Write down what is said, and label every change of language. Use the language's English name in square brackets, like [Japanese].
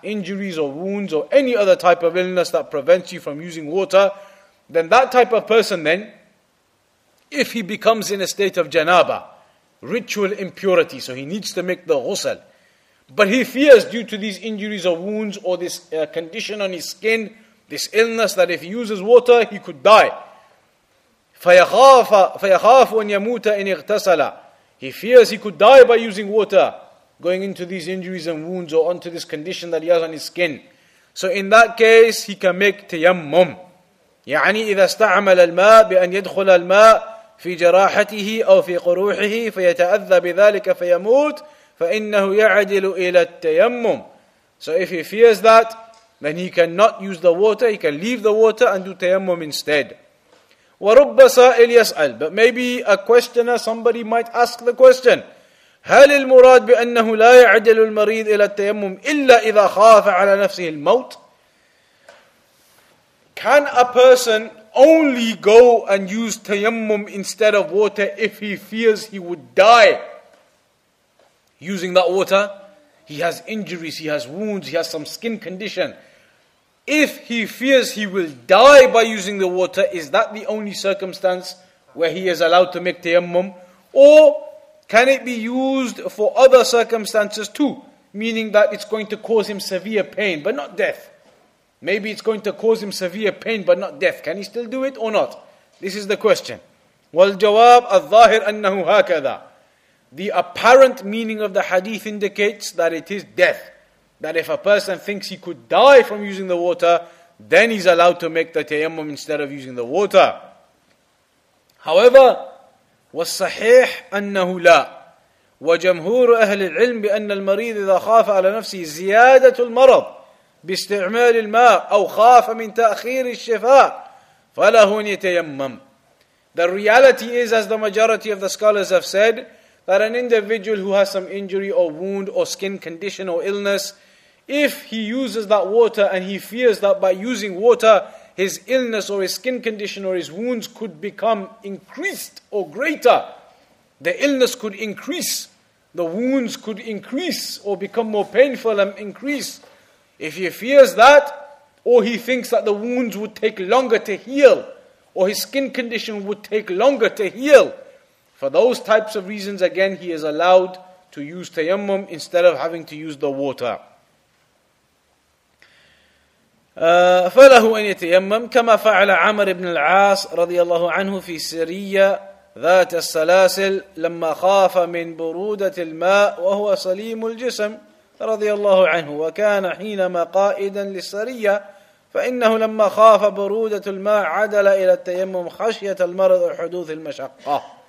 [English] Injuries or wounds or any other type of illness that prevents you from using water, then that type of person then, if he becomes in a state of janaba, ritual impurity, so he needs to make the ghusl, but he fears due to these injuries or wounds or this condition on his skin, this illness, that if he uses water, he could die. [Arabic] فَيَخَافَ وَنْ يَمُوتَ إِنْ اِغْتَسَلَ. [English] He fears he could die by using water, going into these injuries and wounds or onto this condition that he has on his skin. So in that case, he can make tayammum. [Arabic] يعني إذا استعمل الماء بأن يدخل الماء في جراحته أو في قروحه فيتأذى بذلك فيموت فإنه يعدل إلى التيمم. [English] So if he fears that, then he cannot use the water, he can leave the water and do tayammum instead. [Arabic] ورب سائل يسأل. [English] But maybe a questioner, somebody might ask the question, [Arabic] هل المراد بأنه لا يعدل المريض إلى التيمم إلا إذا خاف على نفسه الموت؟ [English] Can a person only go and use tayammum instead of water if he fears he would die using that water? He has injuries, he has wounds, he has some skin condition. If he fears he will die by using the water, is that the only circumstance where he is allowed to make tayammum? Or can it be used for other circumstances too? Meaning that it's going to cause him severe pain, but not death. Maybe it's going to cause him severe pain but not death. Can he still do it or not? This is the question. [Arabic] والجواب الظاهر أنه هكذا. [English] The apparent meaning of the hadith indicates that it is death. That if a person thinks he could die from using the water, then he's allowed to make the tayammum instead of using the water. However, [Arabic] والصحيح أنه لا. وجمهور أهل العلم بأن المريض إذا خاف على نفسه زيادة المرض باستعمال الماء أو خاف من تأخير الشفاء فله أن يتيمم. [English] The reality is, as the majority of the scholars have said, that an individual who has some injury or wound or skin condition or illness, if he uses that water and he fears that by using water his illness or his skin condition or his wounds could become increased or greater, the illness could increase, the wounds could increase or become more painful and increase. If he fears that, or he thinks that the wounds would take longer to heal, or his skin condition would take longer to heal, for those types of reasons, again, he is allowed to use tayammum instead of having to use the water. [Arabic] فله أن يتيمم كما فعل عمر بن العاص رضي الله عنه في سرية ذات السلاسل لما خاف من برودة الماء وهو سليم الجسم رضي الله عنه وكان حينما قائدا للسرية فإنه لما خاف برودة الماء عدل إلى التيمم خشية المرض وحدوث المشقة.